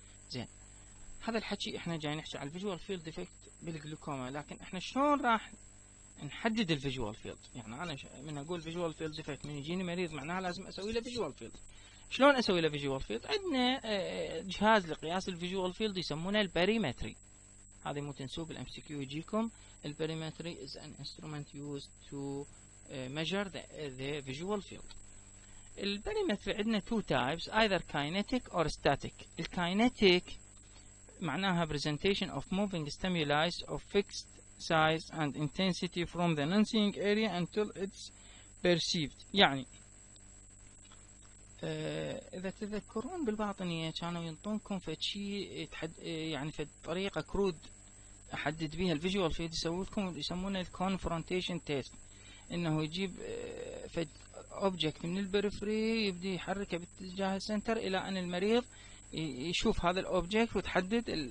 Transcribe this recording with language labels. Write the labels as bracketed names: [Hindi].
[Arabic] زين، هذا الحكي احنا جاي نحكي على الفيجوال فيلد ديفكت بالجلوكوما، لكن احنا شلون راح نحدد الفيجوال فيلد؟ يعني انا من اقول فيجوال فيلد ديفكت من يجيني مريض معناها لازم اسوي له فيجوال فيلد. شلون اسوي له فيجوال فيلد؟ عندنا جهاز لقياس الفيجوال فيلد يسمونه البريمتري. هذه مو تنسوه بالام سي كيو يجيكم. [English] البريمتري is an instrument used to measure the visual field. البريمتري عندنا two types either kinetic or static. الكينيتيك معناها presentation of moving stimuli of fixed size and intensity from the non-seeing area until it's perceived. [Arabic] يعني اذا تذكرون بالباطنية كانوا ينطونكم فشي يعني في طريقة كرود احدد بيها الفيجوال فيلد، يسولكم يسمونه الكونفرونتيشن تيست، انه يجيب فد اوبجكت من البريفري يبدي يحركه باتجاه السنتر الى ان المريض يشوف هذا الاوبجكت وتحدد.